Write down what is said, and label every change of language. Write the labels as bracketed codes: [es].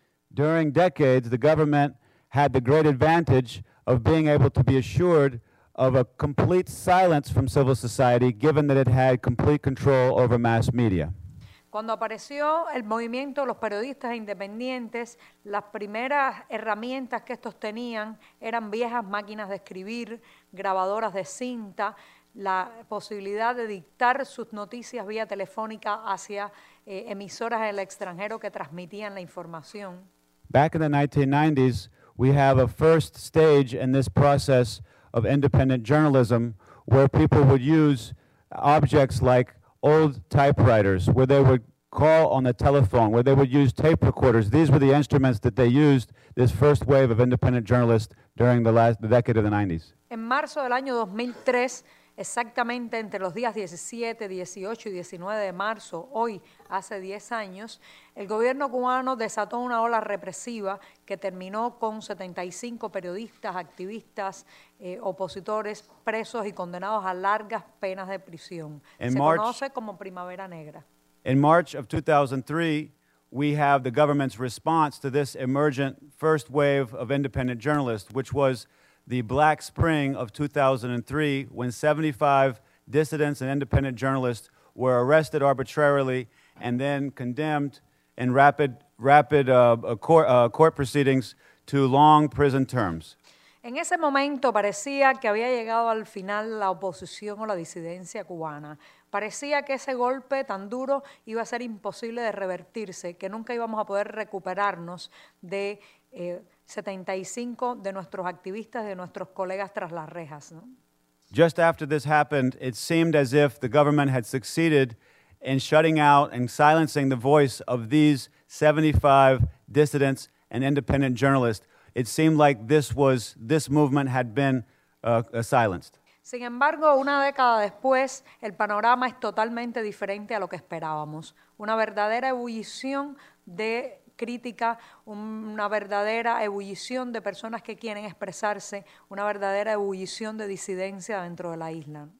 [en] During decades, the government had the great advantage of being able to be assured of a complete silence from civil society, given that it had complete control over mass media. [es] Cuando apareció el movimiento de los periodistas independientes, las primeras herramientas que estos tenían eran viejas máquinas de escribir, grabadoras de cinta, la posibilidad de dictar sus noticias vía telefónica hacia emisoras en el extranjero que transmitían la información. [en] Back in the 1990s, we have a first stage in this process of independent journalism where people would use objects like old typewriters, where they would call on the telephone, where they would use tape recorders. These were the instruments that they used, this first wave of independent journalists during the decade of the 90s. [es] En marzo del año 2003, Exactamente entre los días 17, 18 y 19 de marzo, hoy, hace 10 años, el gobierno cubano desató una ola represiva que terminó con 75 periodistas, activistas, opositores presos y condenados a largas penas de prisión. Se conoce como Primavera Negra. [en] In March of 2003, we have the government's response to this emergent first wave of independent journalists, which was the Black Spring of 2003, when 75 dissidents and independent journalists were arrested arbitrarily and then condemned in rapid court proceedings to long prison terms. [es] En ese momento parecía que había llegado al final la oposición o la disidencia cubana. Parecía que ese golpe tan duro iba a ser imposible de revertirse, que nunca íbamos a poder recuperarnos de 75 de nuestros activistas, de nuestros colegas tras las rejas, ¿no? [en] Just after this happened, it seemed as if the government had succeeded in shutting out and silencing the voice of these 75 dissidents and independent journalists. It seemed like this movement had been silenced. [es] Sin embargo, una década después, el panorama es totalmente diferente a lo que esperábamos. Una verdadera ebullición de crítica, una verdadera ebullición de personas que quieren expresarse, una verdadera ebullición de disidencia dentro de la isla.